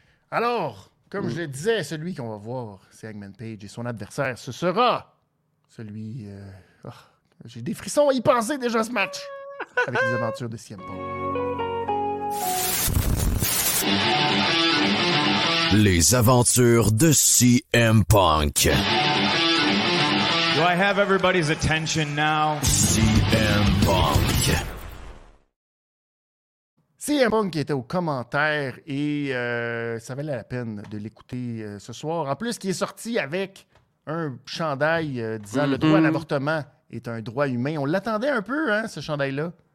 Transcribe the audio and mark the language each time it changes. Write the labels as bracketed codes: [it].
[fr] Alors, comme je le disais, celui qu'on va voir, c'est Hangman Page, et son adversaire, ce sera celui... j'ai des frissons à y penser déjà, ce match! Avec les aventures de CM Punk. Les aventures de CM Punk. [en] Do I have everybody's attention now? [fr] CM Punk. CM Punk était aux commentaires et ça valait la peine de l'écouter ce soir. En plus, il est sorti avec un chandail disant le droit à l'avortement est un droit humain. On l'attendait un peu, hein, ce chandail-là.